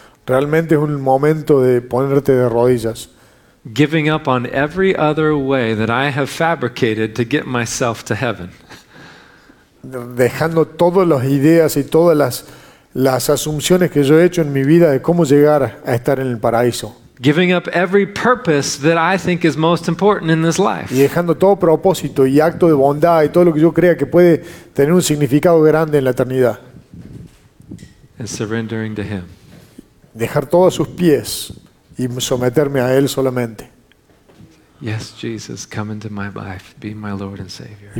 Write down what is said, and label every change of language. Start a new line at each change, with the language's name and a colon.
Spanish: Realmente es un momento de ponerte de rodillas.
English: giving up on every other way that I have fabricated to get myself to heaven.
Spanish: Dejando todas las ideas y todas las asunciones que yo he hecho en mi vida de cómo llegar a estar en el paraíso.
English: Giving up every purpose that I think is most important in this life.
Spanish: Y dejando todo propósito y acto de bondad y todo lo que yo crea que puede tener un significado grande en la eternidad.
English: And surrendering to him.
Spanish: Dejar todo a sus pies y someterme a él solamente.
English: Yes, Jesus, come into my life, be my Lord and Savior.